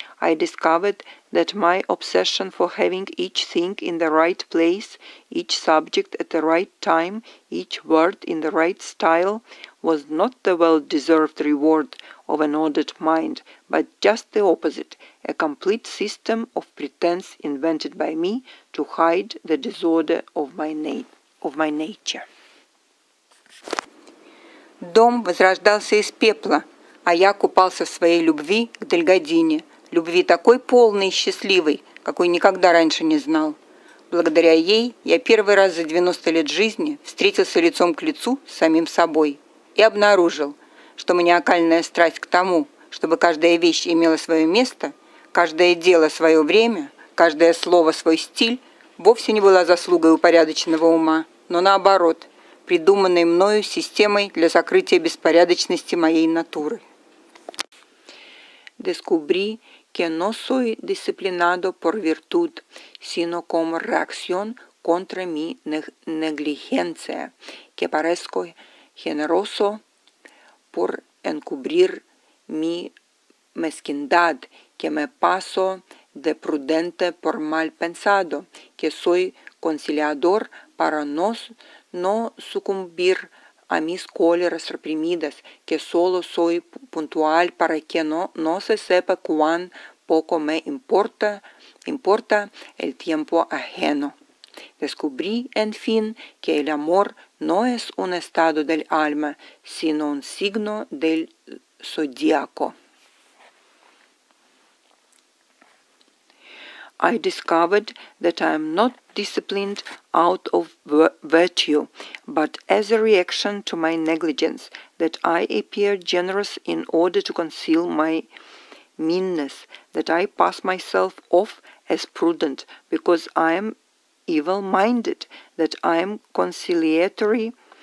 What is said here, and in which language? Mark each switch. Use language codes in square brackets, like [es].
[en] I discovered that my obsession for having each thing in the right place, each subject at the right time, each word in the right style, was not the well-deserved reward of an ordered mind, but just the opposite, a complete system of pretense invented by me to hide the disorder of my nature. [ru] Дом возрождался из пепла, а я купался в своей любви к Дельгадине. Любви такой полной и счастливой, какой никогда раньше не знал. Благодаря ей я первый раз за 90 лет жизни встретился лицом к лицу с самим собой и обнаружил, что маниакальная страсть к тому, чтобы каждая вещь имела свое место, каждое дело свое время, каждое слово свой стиль, вовсе не была заслугой упорядоченного ума, но наоборот, придуманной мною системой для сокрытия беспорядочности моей натуры. [es] Descubrí que no soy disciplinado por virtud, sino como reacción contra mi negligencia, que parezco generoso por encubrir mi mezquindad, que me paso de prudente por mal pensado, que soy conciliador para no sucumbir a mis cóleras reprimidas, que solo soy puntual para que no se sepa cuán poco me importa el tiempo ajeno. Descubrí, en fin, que el amor no es un estado del alma, sino un signo del zodiaco. [en] I discovered that I am not disciplined out of virtue, but as a reaction to my negligence, that I appear generous in order to conceal my meanness, that I pass myself off as prudent because I am evil-minded, that I am conciliatory